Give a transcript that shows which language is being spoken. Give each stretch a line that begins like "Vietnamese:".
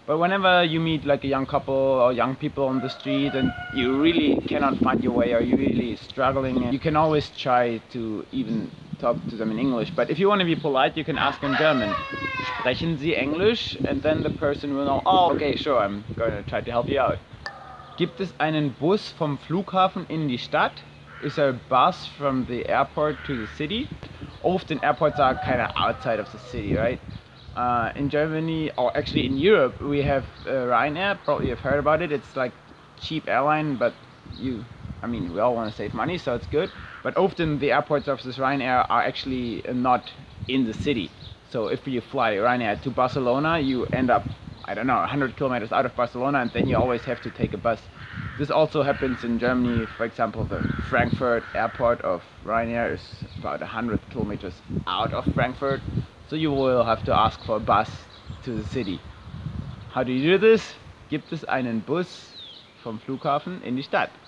English: But whenever you meet like a young couple or young people on the street and you really cannot find your way or you're really struggling, you can always try to even talk to them in English. But if you want to be polite, you can ask in German. Sprechen Sie Englisch? And then the person will know, oh, okay, sure, I'm going to try to help you out.
German: Gibt es einen Bus vom Flughafen in die Stadt?
English: Is there a bus from the airport to the city? Often airports are kind of outside of the city, right? In Germany, or actually in Europe, we have Ryanair. Probably you've heard about it. It's like cheap airline, but we all want to save money, so it's good. But often the airports of this Ryanair are actually not in the city. So if you fly Ryanair to Barcelona, you end up, I don't know, 100 kilometers out of Barcelona, and then you always have to take a bus. This also happens in Germany. For example, the Frankfurt airport of Ryanair is about 100 kilometers out of Frankfurt, so you will have to ask for a bus to the city. How do you do this?
German: Gibt es einen Bus vom Flughafen in die Stadt?